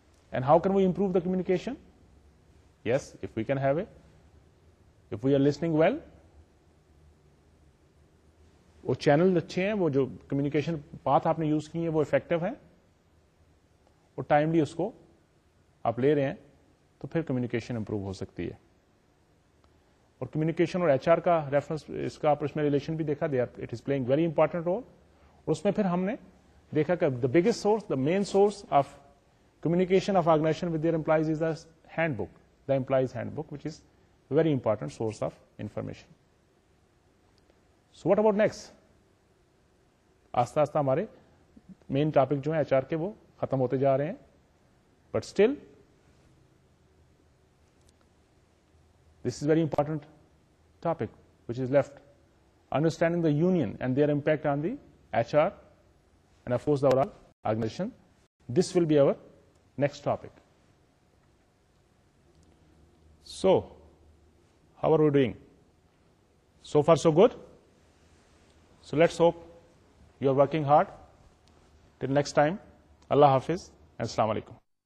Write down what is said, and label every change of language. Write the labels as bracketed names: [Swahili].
[English] And how can we improve the communication? Yes, if we can have a, if we are listening well, [Urdu] وہ channel اچھے ہیں, وہ جو communication path آپ نے یوز کی ہیں وہ افیکٹو ہیں, وہ ٹائملی اس کو آپ لے رہے ہیں, تو پھر کمیونیکیشن امپروو ہو سکتی ہے. اور کمیونیکیشن اور ایچ آر کا ریفرنس, اس کا آپ اس میں ریلیشن بھی دیکھا, [English] They are it is playing very important role. [Urdu] اور اس میں پھر ہم نے دیکھا کہ [English] The biggest source, the main source of communication of organisation with their employees is the handbook, the employees handbook, which is very important source of information. So what about next? [Urdu] آستہ آستہ ہمارے main topic جو ہیں H R کے وہ ختم ہوتے جا رہے ہیں, [English] But still this is very important topic which is left, understanding the union and their impact on the H R and efforts over all organization. This will be over next topic. So how are you doing? So far so good. So let's hope you are working hard. Till next time, Allah Hafiz and Assalamu Alaikum.